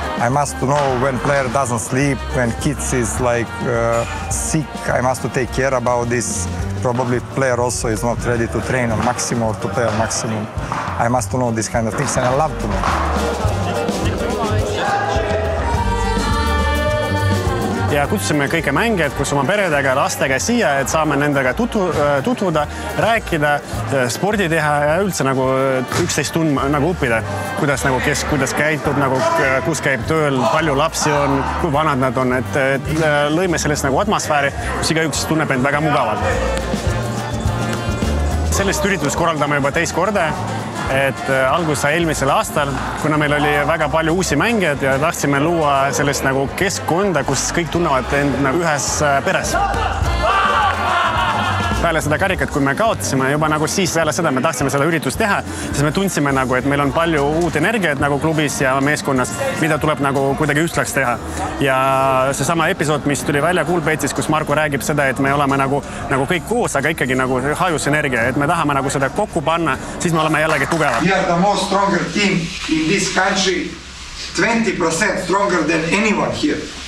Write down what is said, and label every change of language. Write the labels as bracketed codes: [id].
[en] I must to know when player doesn't sleep, when kids is like sick, I must to take care about this. Probably player also is not ready to train on maximum or to play on maximum. I must to know these kind of things and I love to know. [et] Ja kutsume kõike mängijad, kus oma peredega, lastega siia, et saame nendega tutvuda, rääkida, spordi teha ja üldse nagu 11 tund nagu õppida, kuidas nagu kes, kuidas käitub, nagu kus käib tööl, palju lapsi on, kui vanad nad on, et lõime sellest nagu atmosfääri, kus igaüks tunneb end väga mugavalt. Sellest üritus korraldame juba teist korda. Et algus sai eelmisel aastal, kuna meil oli väga palju uusi mängijad ja tahtsime luua sellest nagu keskkonda, kus kõik tunnevad end nagu ühes peres. Peale seda karikat, kui me kaotasime, juba nagu siis peale seda me tahtsime seda üritust teha, siis me tundsime nagu, et meil on palju uut energiat nagu klubis ja meeskonnas, mida tuleb nagu kuidagi ühtlaks teha. Ja see sama episood, mis tuli välja Coolbetis, kus Marko räägib seda, et me oleme nagu kõik koos, aga ikkagi nagu hajus energia, et me tahame nagu seda kokku panna, siis me oleme jällegi tugevad. [en] We are the most stronger team in this country, 20% stronger than anyone here.